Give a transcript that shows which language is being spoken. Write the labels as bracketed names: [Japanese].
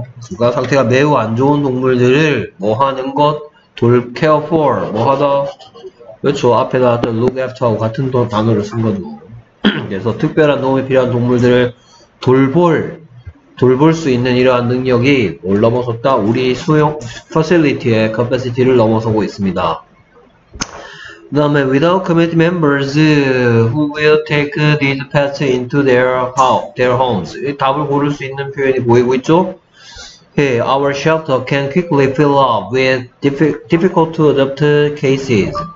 [Korean] 그러니까 상태가 매우 안 좋은 동물들을 뭐 하는 것? 돌 care for 뭐 하다. 그렇죠. 앞에다 look after하고 같은 단어를 쓴 거죠. 그래서 특별한 도움이 필요한 동물들을 돌볼 수 있는 이러한 능력이 뭘 넘어섰다? 우리 수용 facility의 capacity를 넘어서고 있습니다. 그 다음에 [English] without committee members who will take these pets into their homes. [Korean] 답을 고를 수 있는 표현이 보이고 있죠? [English] Okay, our shelter can quickly fill up with difficult to adopt cases.